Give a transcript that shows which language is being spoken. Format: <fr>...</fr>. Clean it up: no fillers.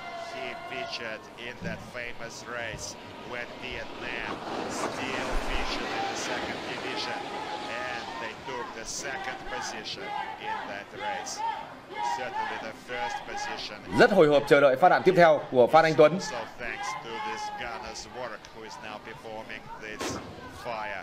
<en>He featured in that famous race when Vietnam still featured in the second division, and they took the second position in that race. Certainly the first position.</en> <vi>Rất hồi hộp chờ đợi phát đạn tiếp theo của Phan Anh Tuấn.</vi> <en>So thanks to this gunner's work who is now performing this fire.</en>